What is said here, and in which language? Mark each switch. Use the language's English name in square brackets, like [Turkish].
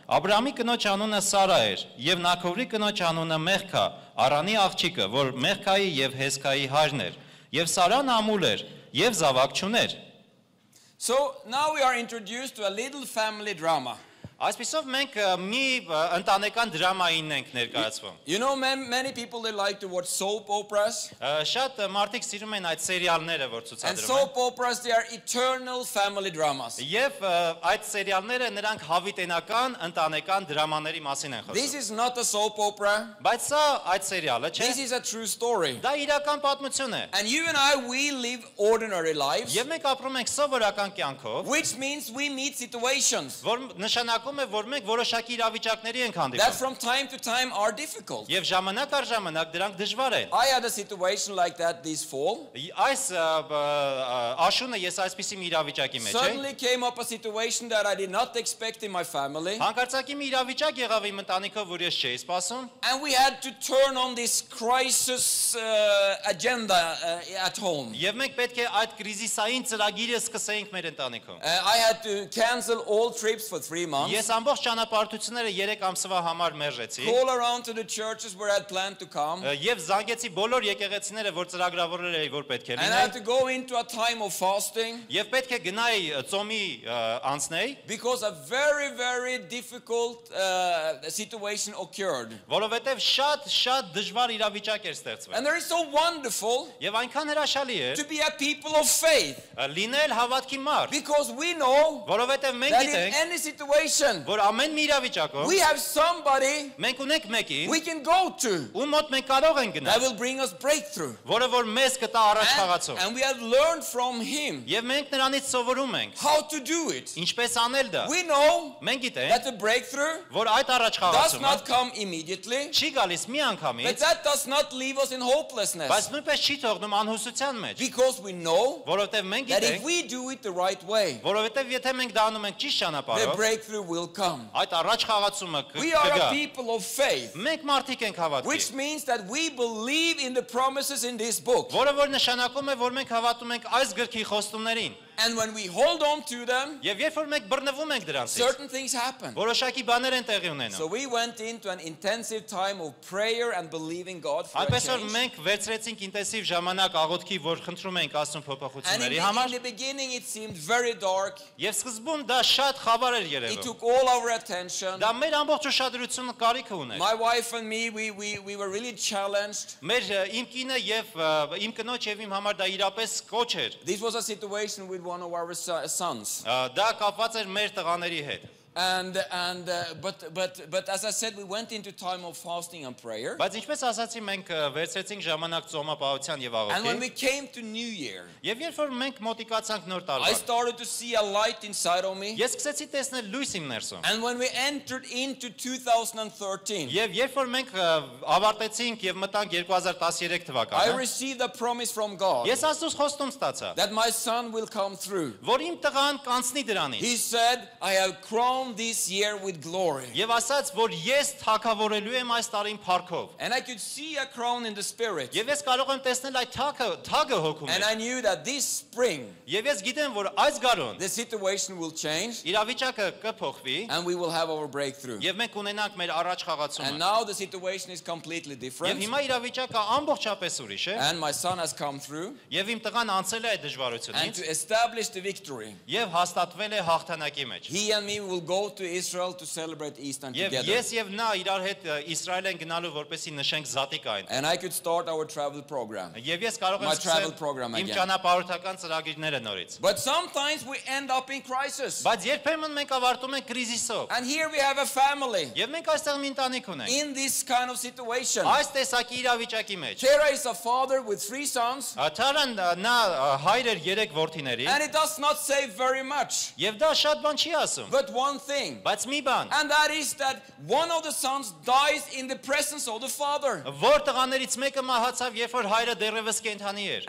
[Armenian] Աբրամի կնոջ անունը Սարա էր, եւ Նախովի կնոջ անունը Մեղքա, Արանի աղջիկը, որ Մեղքայի եւ Հեսկայի հայրն էր, եւ Սարան ամուլ էր եւ զավակ չուներ. [English] So now we are introduced to a little family drama. [Armenian] Այսպիսով մենք մի ընտանեկան դրամային ենք ներկայացվում. [English] You know, many people they like to watch soap operas. [Armenian] Շատ մարդիկ սիրում են այդ սերիալները, որ ցուցադրում են. [English] And soap operas they are eternal family dramas. [Armenian] Եվ այդ սերիալները նրանք հավիտենական ընտանեկան դրամաների մասին են խոսում. [English] This is not a soap opera. [Armenian] Բայց սա այդ սերիալը չէ. [English] This is a true story. [Armenian] Դա իրական պատմություն է. [English] And you and I we live ordinary lives. [Armenian] Եվ մենք ապրում ենք սովորական կյանքով. [English] Which means we meet situations. [Armenian] Որ նշանակ ակում է որ մենք որոշակի իրավիճակների ենք հանդիպում. [English] That from time to time are difficult. [Armenian] Եվ ժամանակ առ ժամանակ դրանք դժվար են. [English] I had a situation like that this fall. [Armenian] Այս աշունը ես այսպիսի մի իրավիճակի մեջ էի. [English] Suddenly came up a situation that I did not expect in my family. [Armenian] Հանկարծակի մի իրավիճակ եղավ իմ ընտանիքով, որ ես չէի սպասում. [English] And we had to turn on this crisis agenda at home. [Armenian] Եվ մենք պետք է այդ կրիզիսային ծրագիրը սկսեինք մեր ընտանիքում. [English] I had to cancel all trips for 3 months. [Armenian] Ես ամբողջ ճանապարհությունները 3 ամսվա համար մերժեցի. [English] All around to the churches where I planned to come. [Armenian] Եվ զանգեցի բոլոր եկեղեցիները, որ ծրագրավորել էի, որ պետք է լինեին. [English] And I had to go into a time of fasting. [Armenian] Եվ պետք է գնայի ծոմի անցնեի. [English] Because a very very difficult situation occurred. [Armenian] Որովհետև շատ շատ դժվար իրավիճակ էր ստեղծվել. [English] And it is so wonderful. [Armenian] Եվ այնքան հրաշալի է. [English] To be a people of faith. [Armenian] Լինել հավատքի մարդ. [English] Because we know. [Armenian] Որովհետև մենք գիտենք. [English] Situation. [Armenian] Որ ամեն մի իրավիճակում [English] we have somebody. [Armenian] Մենք ունենք մեկին. [English] We can go to. [Armenian] Ու մոտ մենք կարող ենք գնալ. [English] He will bring us breakthrough. [Armenian] Որը որ մեզ կտա առաջխաղացում. [English] And we have learned from him. [Armenian] Եվ մենք նրանից սովորում ենք. [English] How to do it. [Armenian] Ինչպես անել դա. [English] We know. [Armenian] Մենք գիտենք. [English] That the breakthrough. [Armenian] Որ այդ առաջխաղացումը. [English] Does not come immediately. [Armenian] Չի գալիս միանգամից. [English] But that does not leave us in hopelessness. [Armenian] Բայց նույնպես չի թողնում անհուսության մեջ. [English] Because we know. [Armenian] Որովհետև մենք գիտենք. [English] That if we do it the right way. [Armenian] Որովհետև եթե մենք դա անում ենք ճիշտ ճանապարհով. [English] The breakthrough will come. [Armenian] Այդ առաջխաղացումը կգա. [English] We are a people of faith. [Armenian] Մենք մարդիկ ենք հավատքի։ [English] Which means that we believe in the promises in this book. [Armenian] Որը որ նշանակում է, որ մենք հավատում ենք այս գրքի խոստումներին։ [English] And when we hold on to them, [Armenian] Եվ երբ որ մենք բռնվում ենք դրանցից, [English] certain things happen. [Armenian] Որոշակի բաներ են տեղի ունենում։ [English] So we went into an intensive time of prayer and believing God for change. [Armenian] Այդպես որ մենք վերցրեցինք ինտենսիվ ժամանակ աղոթքի, որ խնդրում ենք Աստծո փոփոխությունների համար։ [English] In the beginning it seemed very dark. [Armenian] Եվ սկզբում դա շատ խավար էր երևում։ [English] It took all our attention. [Armenian] Դա մեր ամբողջ ուշադրությունը կարիք ուներ։ [English] My wife and me we were really challenged. [Armenian] Մեր իմ կինը եւ իմ կնոջ եւ իմ համար դա իրապես կոչ էր։ [English] This was a situation with one of our sons. [Armenian] Դա կապված էր մեր տղաների հետ. [English] And but as I said we went into time of fasting and prayer. [Armenian] Բայց ինչպես ասացի մենք վերցրեցինք ժամանակ ծոմապահության եւ աղոթքի. [English] And when we came to new year. [Armenian] Եվ երբ որ մենք մոտիկացանք նոր տարին. [English] I started to see a light inside of me. [Armenian] Ես սկսեցի տեսնել լույս իմ ներսում. [English] And when we entered into 2013. [Armenian] Եվ երբ որ մենք ավարտեցինք եւ մտանք 2013 թվականը. [English] I received a promise from God. [Armenian] Ես Աստծո խոստում ստացա. [English] That my son will come through. [Armenian] Որ իմ տղան կանցնի դրանից. [English] He said I have crowned this year with glory. [Armenian] Եվ ասաց, որ ես թակավորելու եմ այս տարին փառքով. [English] And I could see a crown in the spirit. [Armenian] Եվ ես կարող եմ տեսնել այդ թակը, թագը հոգում։ [English] And I knew that this spring. [Armenian] Եվ ես գիտեմ, որ այս գարուն [English] the situation will change. [Armenian] Իրավիճակը կփոխվի։ [English] And we will have our breakthrough. [Armenian] Եվ մենք ունենանք մեր առաջխաղացումը։ [English] And now the situation is completely different. [Armenian] Եվ հիմա իրավիճակը ամբողջապես ուրիշ է։ [English] And my son has come through. [Armenian] Եվ իմ տղան անցել է այդ դժվարությունից։ [English] And to establish the victory. [Armenian] Եվ հաստատվել է հաղթանակի մեջ։ [English] He and me will go go to Israel to celebrate Easter together. [Armenian] Ես եւ նա իրար հետ Իսրայել են գնալու որպեսի նշենք զատիկային. [English] And I could start our travel program. [Armenian] Եվ ես կարող եմ սկսել իմ ճանապարհորդական ծրագիրները նորից. [English] But sometimes we end up in crisis. [Armenian] Բայց երբեմն մենք ավարտում ենք կրիզիսով. [English] And here we have a family. [Armenian] Եվ մենք այստեղ մի ընտանիք ունենք. [English] In this kind of situation. [Armenian] Այս տեսակի իրավիճակի մեջ. [English] Terah is a father with 3 sons. [Armenian] Աթարան նա հայր էր 3 որդիների. [English] And it does not say very much. [Armenian] Եվ դա շատ բան չի ասում. [English] But one thing. [Armenian] Բայց մի բան. [English] And that is that one of the sons dies in the presence of the father. [Armenian] Որ տղաներից մեկը մահացավ, երբ որ հայրը դեռևս կենդանի էր.